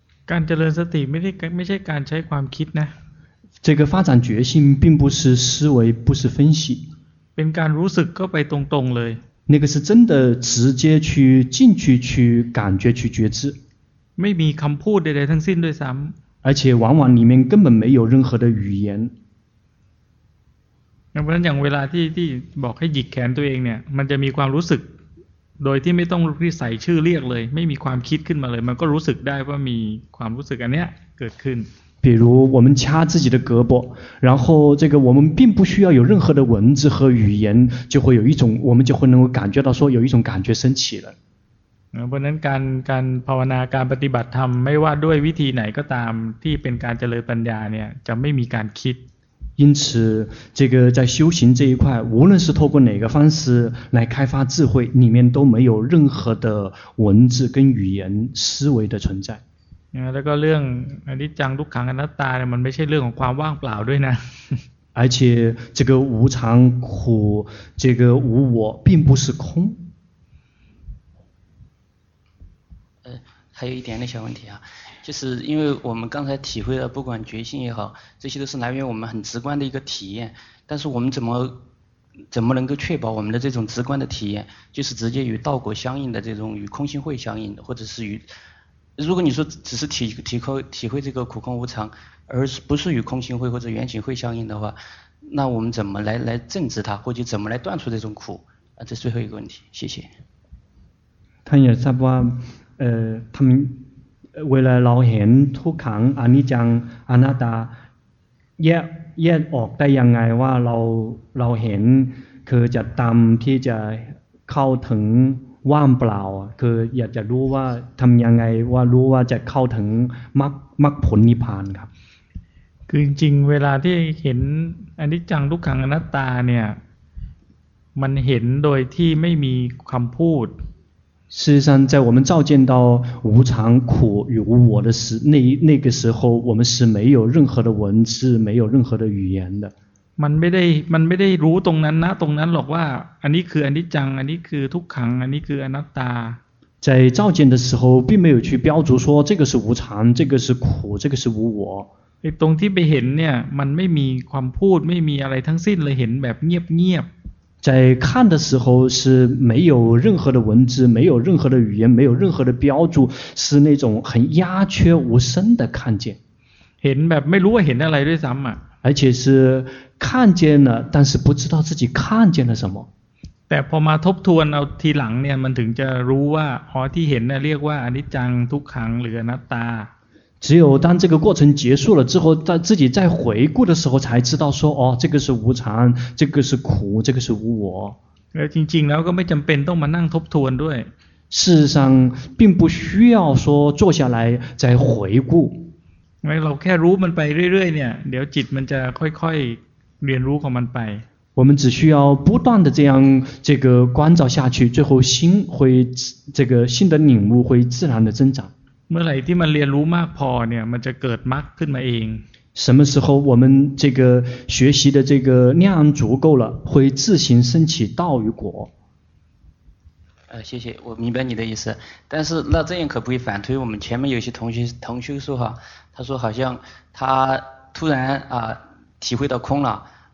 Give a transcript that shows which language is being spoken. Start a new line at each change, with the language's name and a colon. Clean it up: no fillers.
Thai: การเจริญสติไม่ใช่การใช้ความคิดนะ
Chinese: 这个发展觉性并不是思维不是分析
Thai: เป็นการรู้สึกก็ไปตรงๆเลย
Chinese: 那个是真的直接去进去去感觉去觉知
Thai: ไม่มีคำพูดใดๆทั้งสิ้นด้วยซ้ำ
Chinese: 而且往往里面根本没有任何的语言
Thai: เพราะฉะนั้นอย่างเวลาที่บอกให้หยิกแขนตัวเองเนี่ยมันจะมีความรู้สึกโดยที่ไม่ต้องใส่ชื่อเรียกเลยไม่มีความคิดขึ้นมาเลยมันก็รู้สึกได้ว่ามีความรู้สึกอันเนี้ยเกิดขึ้น
Chinese: 比如我们掐自己的胳膊然后这个我们并不需要有任何的文字和语言就会有一种我们就会能够感觉到说有一种感觉升起了
Thai: เพราะฉะนั้นการภาวนาการปฏิบัติธรรมไม่ว่าด้วยวิธีไหนก็ตามที่เป็นการเจริญปัญญาเนี่ยจะไม่มีการคิด
Chinese: 因此这个在修行这一块无论是透过哪个方式来开发智慧里面都没有任何的文字跟语言思维的存在
Thai: แล้วก็เรื่องอนิจจังทุกขังอนัตตาเนี่ยมันไม่ใช่เรื่องของความว่างเปล่าด้วยนะ
Chinese: 而且这个无常苦这个无我并不是空还有一点点小问题啊就是因为我们刚才体会的不管觉性也好这些都是来源于我们很直观的一个体验但是我们怎么能够确保我们的这种直观的体验就是直接与道果相应的这种与空性慧相应的或者是与如果你说只是 体会这个苦空无常而不是与空性慧或者缘起慧相应的话那我们怎么 来证知它或者怎么来断出这种苦这是最后一个问题谢谢他也差不多他们
Thai: เวลาเราเห็นทุกขังอนิจจังอนัตตาแยกออกได้ยังไงว่าเราเห็นคือจะตามที่จะเข้าถึงว่างเปล่าคืออยากจะรู้ว่าทำยังไงว่ารู้ว่าจะเข้าถึงมรรคผลนิพพานครับ คือจริงเวลาที่เห็นอนิจจังทุกขังอนัตตาเนี่ยมันเห็นโดยที่ไม่มีคำพูด
Chinese: 事实上在我们照见到无常苦与无我的时候 那个时候我们是没有任何的文字没有任何的语言的
Thai: มันไม่ได้รู้ตรงนั้นนะตรงนั้นหรอกว่าอันนี้คืออนิจจังอันนี้คือทุกขังอันนี้คืออนัตตา
Chinese: 在照见的时候并没有去标注说这个是无常这个是苦这个是无我
Thai: ตรงที่ไปเห็นเนี่ยมันไม่มีความพูดไม่มีอะไรทั้งสิ้นเลยเห็นแบบเงียบ
Chinese: 在看的时候是没有任何的文字，没有任何的语言，没有任何的标注，是那种很鸦雀无声的看见。
Thai: 很แบบไม่รู้ว่าเห็นอะไรด้วยซ้ำอ่ะ
Chinese: 而且是看见了，但是不知道自己看见了什么。
Thai: แต่พอมาทบทวนเอาทีหลังเนี่ยมันถึงจะรู้ว่าอ๋อที่เห็นน่ะเรียกว่าอนิจจังทุกขังหรืออนัตตา
Chinese: 只有当这个过程结束了之后在自己再回顾的时候才知道说哦这个是无常这个是苦这个是无我
Thai: จริงๆแล้วก็ไม่จําเป็นต้องมานั่งทบทวนด้วย
Chinese: 事实上并不需要说坐下来再回顾
Thai: เราแค่รู้มันไปเรื่อยๆเนี่ยเดี๋ยวจิตมันจะค่อยๆเรียนรู้ของมันไป
Chinese: 我们只需要不断的这样这个关照下去，最后心会这个心的领悟会自然的增长。
Thai: เมื่อไหร่ที่มันเรียนรู้มากพอเนี่ยมันจะเกิดมรรคขึ้นมาเอง。
Chinese: 什么时候我们这个学习的这个量足够了，会自行升起道与果。谢谢，我明白你的意思。但是那这样可不可以反推我们前面有些同学说哈，他说好像他突然体会到空了。